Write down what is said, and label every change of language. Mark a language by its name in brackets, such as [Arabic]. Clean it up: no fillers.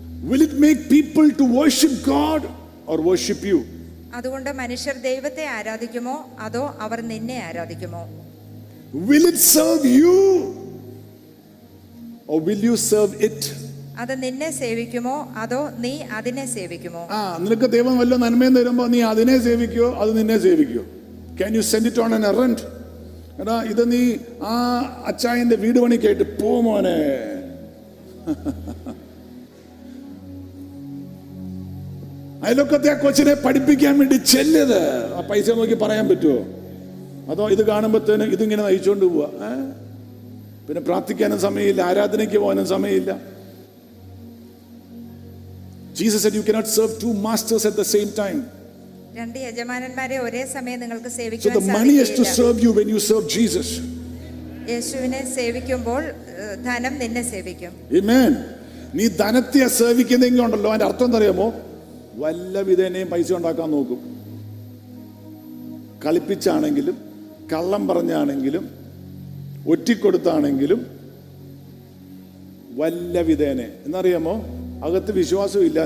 [English] Will it make people to worship God or worship you? [Malayalam] അതുകൊണ്ട് മനുഷ്യർ ദൈവത്തെ ആരാധിക്കുമോ അതോ അവർ നിന്നെ ആരാധിക്കുമോ? [English] Will it serve you or will you serve it? [Malayalam] അത് നിന്നെ സേവിക്കുമോ അതോ നീ അതിനെ സേവിക്കുമോ? നിനക്ക് ദൈവം വല്ല നന്മയും തരുമ്പോ നീ അതിനെ സേവിക്കുമോ അത് നിന്നെ സേവിക്കുമോ? [English] Can you send it on an errand? [Malayalam] എടാ ഇത് നീ ആ അച്ചായന്റെ വീട് പണിക്കായിട്ട് പോവും മോനെ. അതിലൊക്കത്തെ ആ കൊച്ചിനെ പഠിപ്പിക്കാൻ വേണ്ടി ചെല്ലത് ആ പൈസ നോക്കി പറയാൻ പറ്റുമോ? അതോ ഇത് കാണുമ്പോത്തേനും ഇതിങ്ങനെ നയിച്ചോണ്ട് പോവാ? പിന്നെ പ്രാർത്ഥിക്കാനും സമയമില്ല, ആരാധനയ്ക്ക് പോകാനും സമയമില്ല. [English] Jesus said you cannot serve two masters at the same time. [Malayalam] രണ്ട് യജമാനന്മാരെ ഒരേ സമയം നിങ്ങൾക്ക് സേവിക്കാൻ സാധിക്കില്ല. [English] The money has to serve you when you serve Jesus. [Malayalam] യേശുവിനെ സേവിക്കുമ്പോൾ ധനം നിന്നെ സേവിക്കും. [English] Amen. [Malayalam] നീ ധനത്തെ സേവിക്കുന്നെങ്കിലും ഉണ്ടല്ലോ, അതിന്റെ അർത്ഥം അറിയാമോ? വല്ല വിധേനയും പൈസ ഉണ്ടാക്കാൻ നോക്കും. കളിപ്പിച്ചാണെങ്കിലും കള്ളം പറഞ്ഞാണെങ്കിലും ഒറ്റിക്കൊടുത്താണെങ്കിലും വല്ല വിധേനെ എന്നറിയാമോ? അകത്ത് വിശ്വാസമില്ല.